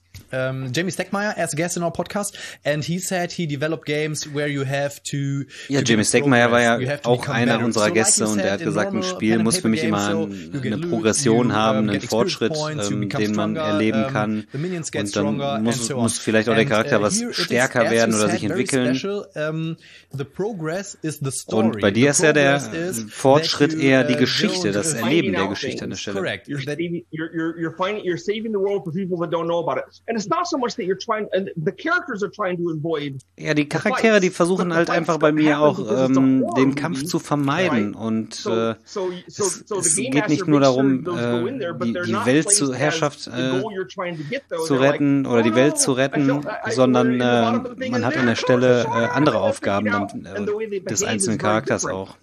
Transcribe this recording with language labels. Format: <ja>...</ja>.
<en>Jamie Steckmeier as a guest in our podcast and he said he developed games where you have to...</en> <de>Ja, Jamie Steckmeier war ja auch einer unserer Gäste und er hat gesagt, ein Spiel muss für mich immer eine Progression haben, einen Fortschritt, den man erleben kann und dann muss vielleicht auch der Charakter was stärker werden oder sich entwickeln. Und bei dir ist ja der Fortschritt eher die Geschichte, das Erleben der Geschichte an der Stelle.</de> <en>You're saving the world for people that don't know about it. And it's not so much that you're trying, and the characters are trying to avoid.</en> <de>Ja, die Charaktere, die versuchen halt einfach bei mir auch, den Kampf zu vermeiden. Und es geht nicht nur darum, die Weltherrschaft zu retten oder die Welt zu retten, sondern man hat an der Stelle andere Aufgaben des einzelnen Charakters auch.</de>